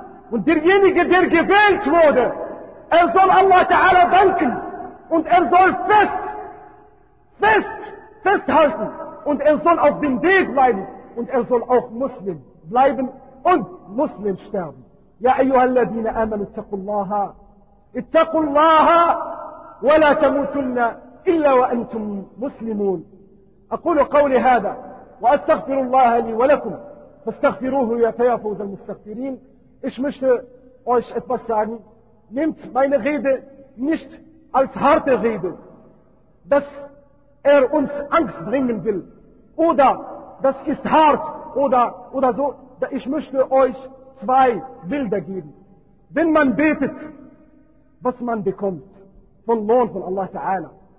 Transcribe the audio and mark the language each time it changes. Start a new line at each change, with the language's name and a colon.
German: Und derjenige, der gewählt wurde, er soll Allah Ta'ala danken. Und er soll festhalten. Und er soll auf dem Weg bleiben. Und er soll auch Muslim bleiben und Muslim sterben.
Arabic: يا أيها الذين آمنوا اتقوا الله اتقوا الله ولا تموتن إلا وأنتم مسلمون أقول قولي هذا وأستغفر الله لي ولكم فاستغفروه يا فيفوز المستغفرين
German: Ich möchte euch etwas sagen. Nehmt meine Rede nicht als harte Rede, dass er uns Angst bringen will oder das ist hart oder so. Ich möchte euch zwei Bilder geben. Wenn man betet, was man bekommt von Lohn von Allah Ta'ala.